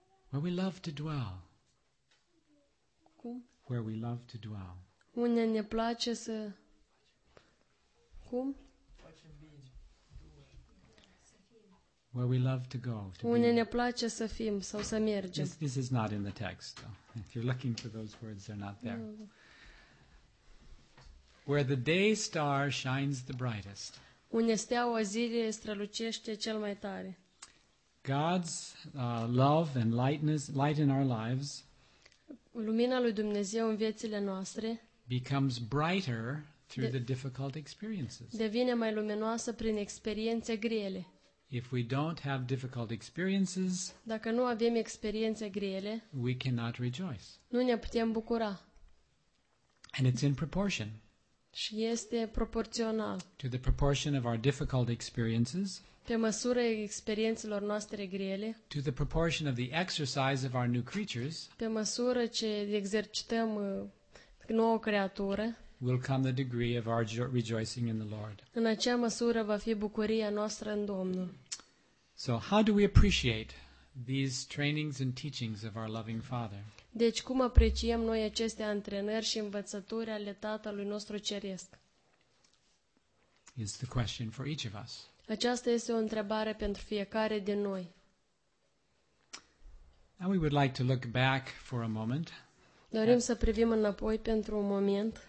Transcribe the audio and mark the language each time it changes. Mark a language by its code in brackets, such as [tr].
[en] Where we love to dwell. [ro] Cum? [en] Where we love to dwell. [ro] Unde ne place să... Cum? [en] Where we love to go. To [ro] unde [en] be. [ro] Ne place să fim sau să mergem. [en] This is not in the text, though. If you're looking for those words, they're not there. Where the day star shines the brightest. [ro] Unde steaua zilei strălucește cel mai tare. [en] God's love and lightness, light in our lives. [ro] Lumina lui Dumnezeu în viețile noastre. [en] Becomes brighter through the difficult experiences. [ro] Devine mai luminoasă prin experiențe grele. [en] If we don't have difficult experiences, [ro] dacă nu avem experiențe grele, [en] we cannot rejoice. [ro] Nu ne putem bucura. [en] And it's in proportion. [ro] Și este proporțional. [en] To the proportion of our difficult experiences. [ro] Pe măsură experiențelor noastre grele. [en] To the proportion of the exercise of our new creatures. [ro] Pe măsură ce exercităm noua creatură. [en] Will come the degree of our rejoicing in the Lord. [ro] În acea măsură va fi bucuria noastră în Domnul. [en] So how do we appreciate these trainings and teachings of our loving Father? [ro] Deci cum apreciem noi aceste antrenări și învățături ale Tatălui nostru ceresc? [en] Is the question for each of us. [ro] Aceasta este o întrebare pentru fiecare din noi. [en] And we would like to look back for a moment. [ro] Dorim să privim înapoi pentru un moment.